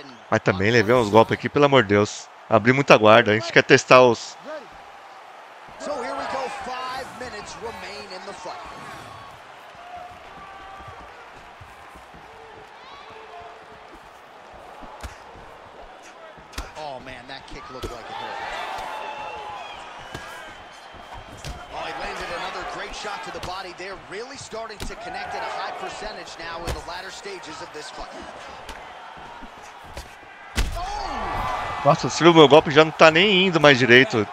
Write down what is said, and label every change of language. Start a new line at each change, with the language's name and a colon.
Portuguese: Mas também levei uns golpes aqui, pelo amor de Deus. Abri muita guarda, a gente quer testar os.
English: So here we go, 5 minutes remain in the fight. Oh man, that kick looked like it hurt. Oh, he landed another great shot to the body. They're really starting to connect at a high percentage now in the latter stages of this fight.
Portuguese: Nossa, você viu, meu golpe já não tá nem indo mais direito.